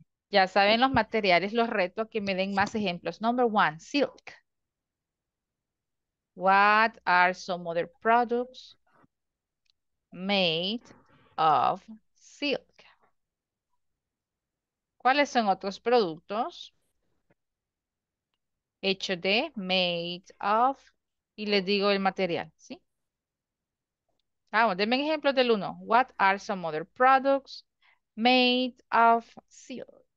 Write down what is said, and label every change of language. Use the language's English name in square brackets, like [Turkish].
[Spanish] Ya saben los materiales, los reto a que me den más ejemplos. [English] Number one, silk. What are some other products made of silk? [Spanish] ¿Cuáles son otros productos hechos de, [English] made of [Spanish] y les digo el material, ¿sí? Vamos, denme ejemplos del uno. [English] What are some other products made of silk?